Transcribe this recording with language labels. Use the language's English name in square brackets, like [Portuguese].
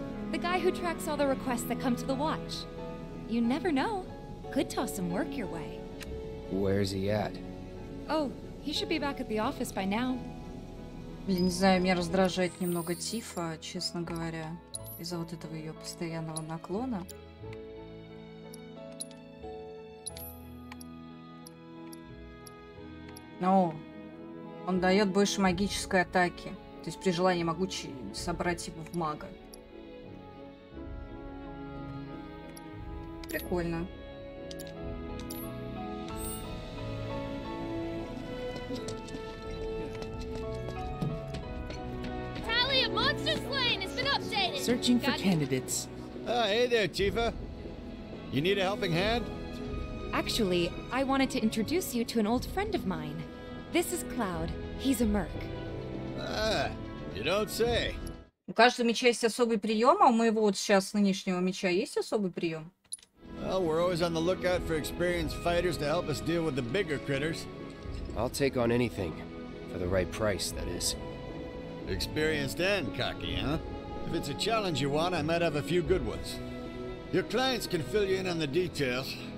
[English] The guy who tracks all the requests that come to the watch. You never know. Could toss some work your way. Where's he at? Oh, he should be back at the office by now. [Russian] Блин, не знаю, меня раздражает немного Тифа, честно говоря, из-за вот этого ее постоянного наклона. Но он дает больше магической атаки. То есть при желании могу собрать его в мага. Прикольно. [English] Tally of Monster Slain has been updated. Searching for candidates. Oh, hey there, Tifa. You need a helping hand? Actually, I wanted to introduce you to an old friend of mine. This is Cloud. He's a merc. Ah, you don't say. [Russian] У каждого меча есть особый прием, а у моего вот сейчас нынешнего меча есть особый прием. [English] Well, we're always on the lookout for experienced fighters to help us deal with the bigger critters. I'll take on anything. For the right price, that is. Experienced and cocky, huh? If it's a challenge you want, I might have a few good ones. Your clients can fill you in on the details.